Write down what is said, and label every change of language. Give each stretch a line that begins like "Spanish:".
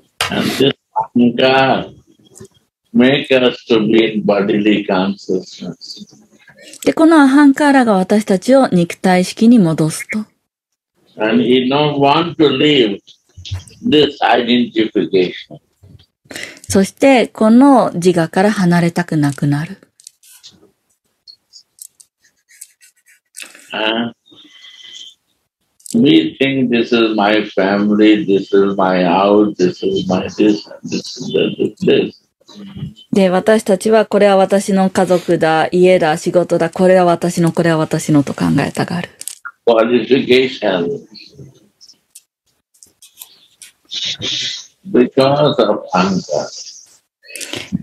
English: And this ahankar makes us to be in bodily consciousness.
Japanese: でこのアハンカーラが私たちを肉体式に戻すと。
English: And he don't want to leave this identification.
Japanese: そしてこの自我から離れたくなくなる。
English: We think this is my family, this is my house, this is my this, this is this.
Japanese: で私たちはこれは私の家族だ、家だ、仕事だ、これは私の、これは私のと考えたがる。
English: Qualification. Because of anger.